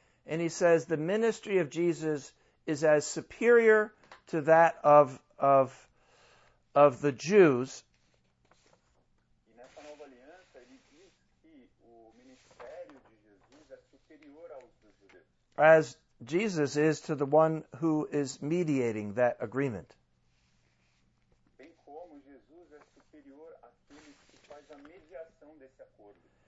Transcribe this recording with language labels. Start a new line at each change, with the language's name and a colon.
English: And he says the ministry of Jesus is as superior to that of the Jews.
Portuguese: E nessa nova aliança, ele diz que o ministério de Jesus é superior aos dos judeus.
English: As Jesus is to the one who is mediating that agreement.
Portuguese: Bem como Jesus é superior àquele que faz a mediação desse acordo.